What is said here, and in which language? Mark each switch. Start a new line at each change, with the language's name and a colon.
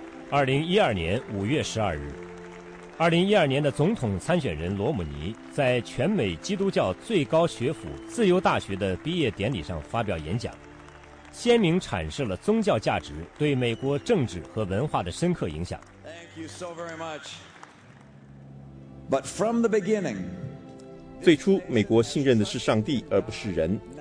Chinese: 2012年5月12日，2012年的总统参选人罗姆尼在全美基督教最高学府自由大学的毕业典礼上发表演讲，鲜明阐释了宗教价值对美国政治和文化的深刻影响。
English: Thank you so very much. But from the beginning,
Chinese: 最初美国信任的是上帝而不是人。